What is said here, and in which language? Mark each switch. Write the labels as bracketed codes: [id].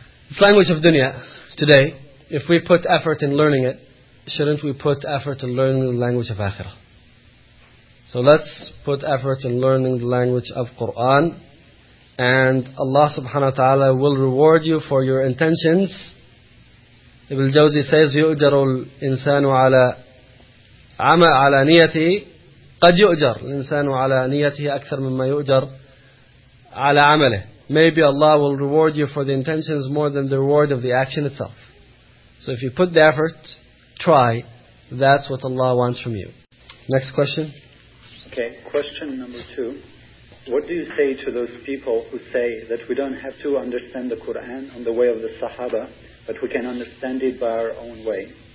[en] it's language of dunya today. If we put effort in learning it, shouldn't we put effort in learning the language of Akhirah? So let's put effort in learning the language of Qur'an, and Allah subhanahu wa ta'ala will reward you for your intentions. Ibn al-Jawzi says, [ar] يُؤْجَرُ الْإِنسَانُ عَلَى عَمَى عَلَى نِيَتِهِ قَدْ يُؤْجَرُ الْإِنسَانُ عَلَى نِيَتِهِ أَكْثَر مِمَّا يُؤْجَرُ عَلَى عَمَلِهِ. [en] Maybe Allah will reward you for the intentions more than the reward of the action itself. So if you put the effort, try, that's what Allah wants from you. Next question. Okay, question number two. What do you say to those people who say that we don't have to understand the Qur'an on the way of the Sahaba, but we can understand it by our own way?